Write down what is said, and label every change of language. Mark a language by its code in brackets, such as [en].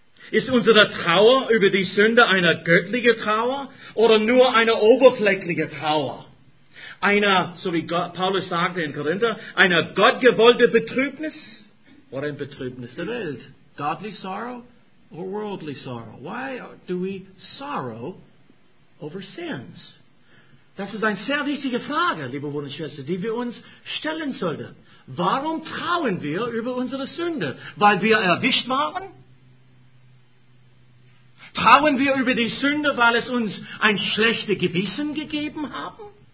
[de] Ist unsere Trauer über die Sünde eine göttliche Trauer oder nur eine oberflächliche Trauer? Eine, so wie Paulus sagte in Korinther, eine gottgewollte Betrübnis oder ein Betrübnis der Welt? [en] Godly sorrow or worldly sorrow? Why do we sorrow over sins? [de] Das ist eine sehr wichtige Frage, liebe Bruder und Schwester, die wir uns stellen sollten. Warum trauen wir über unsere Sünde? Weil wir erwischt waren? Trauen wir über die Sünde, weil es uns ein schlechtes Gewissen gegeben haben?